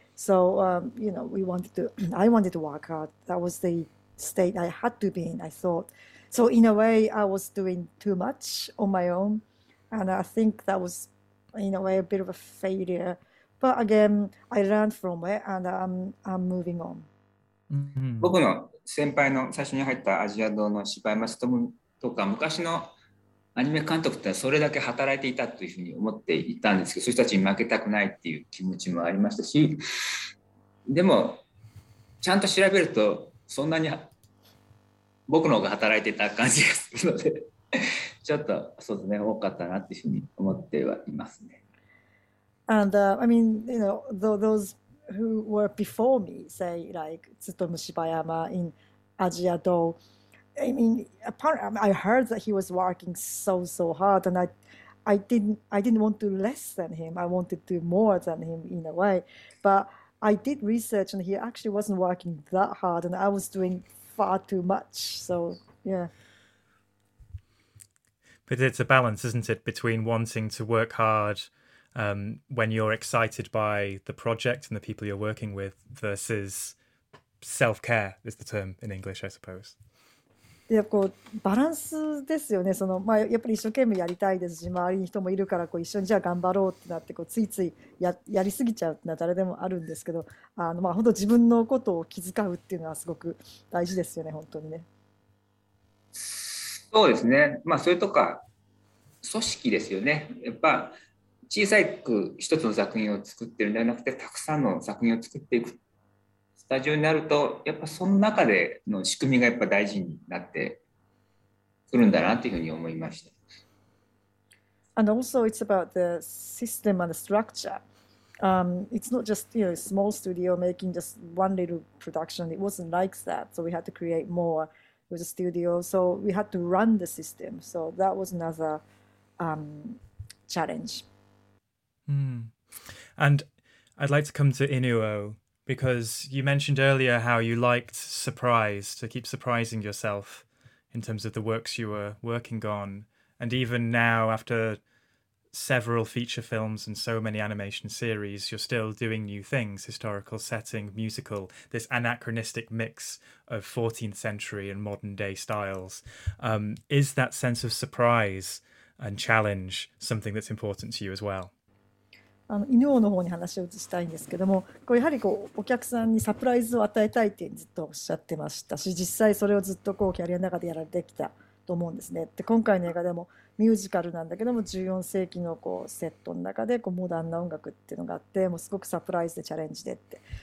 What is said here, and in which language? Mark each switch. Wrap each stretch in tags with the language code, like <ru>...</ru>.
<en>So you know, I wanted to work hard. That was the state I had to be in, I thought. So in a way, I was doing too much on my own, and I think that was, in a way, a bit of a failure. But again, I learned from it, and I'm moving on. Mm-hmm.</en> <ja>先輩の最初に入ったアジア堂の芝山勤務とか昔のアニメ監督ってそれだけ働いていたというふうに思っていたんですけど、そういう人たちに負けたくないっていう気持ちもありましたし、でもちゃんと調べるとそんなに僕の方が働いていた感じがするので、ちょっとそうですね、多かったなっていうふうに思ってはいますね。</ja> <en>And I mean, you know, thoseWho were before me, say like Tsutomu Shibayama in Ajiado. I mean, I heard that he was working so hard, and I didn't want to less than him. I wanted to do more than him in a way. But I did research, and he actually wasn't working that hard, and I was doing far too much. So yeah. But it's a balance, isn't it, between wanting to work hard. When you're excited by the project and the people you're working with versus self-care is the term in English, I suppose.</en> <ja>Yeah, こうバランスですよね。その、まあ、やっぱり一生懸命やりたいですし、周りに人もいるからこう一緒にじゃあ頑張ろうってなってこうついついやりすぎちゃうってのは誰でもあるんですけど、あの、まあ、本当自分のことを気遣うっていうのはすごく大事ですよね、本当にね。そうですね。まあ、それとか組織ですよね。やっぱ小さく一つの作品を作ってるんではなくて、たくさんの作品を作っていくスタジオになると、やっぱその中での仕組みがやっぱ大事になってくるんだなというふうに思いました。</ja> <en>And also it's about the system and the structure. It's not just, you know, small studio making just one little production. It wasn't like that. So we had to create more with the studio. So we had to run the system. So that was another challenge. And I'd like to come to Inuo, because you mentioned earlier how you liked surprise, to keep surprising yourself in terms of the works you were working on. And even now, after several feature films and so many animation series, you're still doing new things, historical setting, musical, this anachronistic mix of 14th century and modern day styles. Is that sense of surprise and challenge something that's important to you as well?</en> <ja>あの犬王の方に話を移したいんですけども、こうやはりこうお客さんにサプライズを与えたいってずっとおっしゃってましたし、実際それをずっとこうキャリアの中でやられてきたと思うんですね。で、今回の映画でもミュージカルなんだけども、14世紀のこうセットの中でこうモダンな音楽っていうのがあって、もうすごくサプライズでチャレンジでって。</ja>